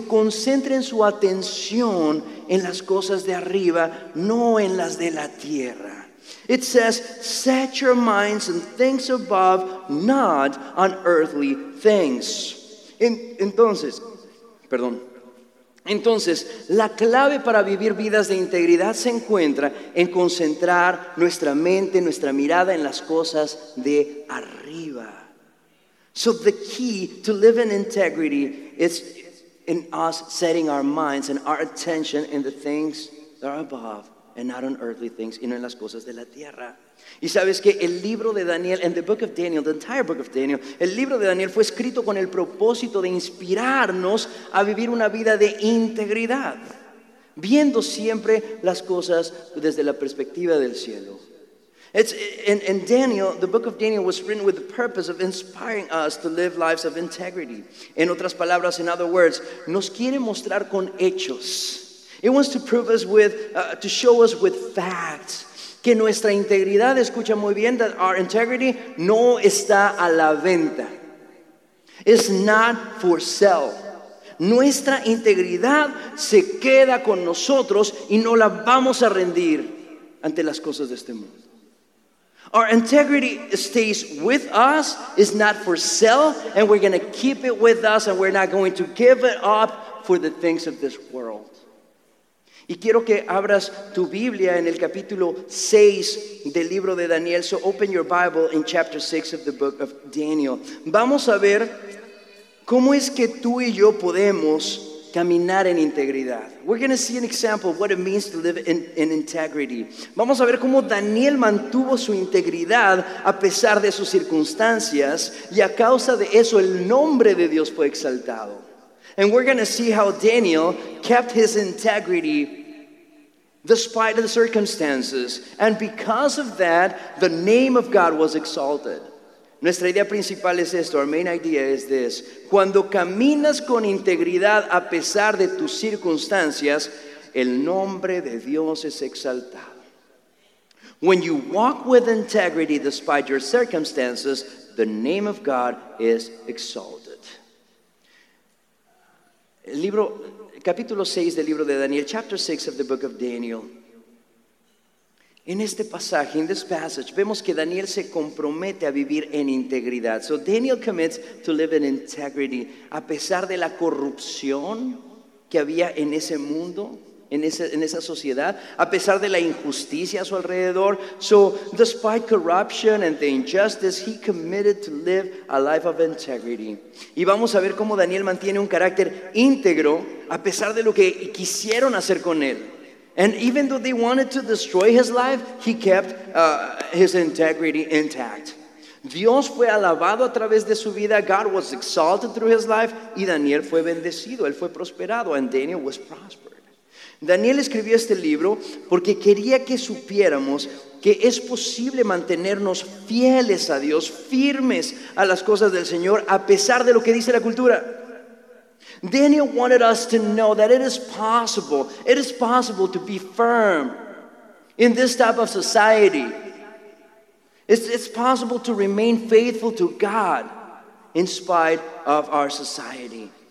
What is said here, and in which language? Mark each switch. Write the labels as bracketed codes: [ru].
[es] Concentren su atención en las cosas de arriba, no en las de la tierra. [en] It says, set your minds on things above, not on earthly things. [es] Entonces, la clave para vivir vidas de integridad se encuentra en concentrar nuestra mente, nuestra mirada en las cosas de arriba. [en] So the key to live in integrity is in us setting our minds and our attention in the things that are above and not on earthly things, [es] y no en las cosas de la tierra. Y sabes que el libro de Daniel, [en] and the book of Daniel, [es] the entire book of Daniel, el libro de Daniel fue escrito con el propósito de inspirarnos a vivir una vida de integridad, viendo siempre las cosas desde la perspectiva del cielo. [en] It's in Daniel, the book of Daniel was written with the purpose of inspiring us to live lives of integrity. [es] En otras palabras, [en] in other words, [es] nos quiere mostrar con hechos. [en] It wants to prove us with, to show us with facts. [es] Que nuestra integridad, escucha muy bien, [en] that our integrity [es] no está a la venta. [en] It's not for sale. [es] Nuestra integridad se queda con nosotros y no la vamos a rendir ante las cosas de este mundo. [en] Our integrity stays with us, it's not for sale, and we're going to keep it with us and we're not going to give it up for the things of this world. [es] Y quiero que abras tu Biblia en el capítulo 6 del libro de Daniel. [en] So open your Bible in chapter 6 of the book of Daniel. [es] Vamos a ver cómo es que tú y yo podemos caminar en integridad. [en] We're going to see an example of what it means to live in integrity. [es] Vamos a ver cómo Daniel mantuvo su integridad a pesar de sus circunstancias. Y a causa de eso el nombre de Dios fue exaltado. [en] And we're going to see how Daniel kept his integrity despite the circumstances. And because of that, the name of God was exalted. [es] Nuestra idea principal es esto, [en] our main idea is this. [es] Cuando caminas con integridad a pesar de tus circunstancias, el nombre de Dios es exaltado. [en] When you walk with integrity despite your circumstances, the name of God is exalted. [es] El libro, capítulo 6 del libro de Daniel, [en] chapter 6 of the book of Daniel. [es] En este pasaje, [en] in this passage, [es] vemos que Daniel se compromete a vivir en integridad. [en] So Daniel commits to live in integrity, [es] a pesar de la corrupción que había en ese mundo, en esa sociedad, a pesar de la injusticia a su alrededor. [en] So despite corruption and the injustice, he committed to live a life of integrity. [es] Y vamos a ver cómo Daniel mantiene un carácter íntegro, a pesar de lo que quisieron hacer con él. [en] And even though they wanted to destroy his life, he kept his integrity intact. [es] Dios fue alabado a través de su vida. [en] God was exalted through his life. [es] Y Daniel fue bendecido. Él fue prosperado. [en] And Daniel was prospered. [es] Daniel escribió este libro porque quería que supiéramos que es posible mantenernos fieles a Dios, firmes a las cosas del Señor, a pesar de lo que dice la cultura. [en] Daniel wanted us to know that it is possible to be firm in this type of society. It's possible to remain faithful to God in spite of our society.